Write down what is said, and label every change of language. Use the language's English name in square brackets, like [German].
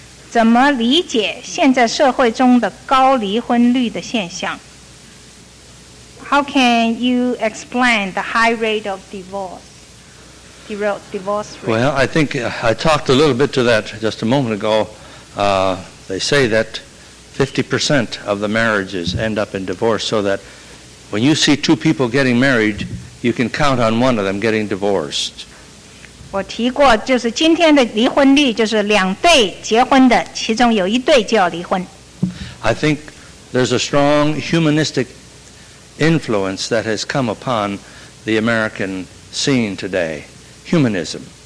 [Chinese] 怎么理解现在社会中的高离婚率的现象？ [English] How can you explain the high rate of divorce rate? Well, I think I talked a little bit to that just a moment ago. They say that 50% of the marriages end up in divorce, so that when you see two people getting married, you can count on one of them getting divorced. [Chinese] 我提过，就是今天的离婚率，就是两对结婚的，其中有一对就要离婚。 [English] I think there's a strong humanistic influence that has come upon the American scene today, humanism.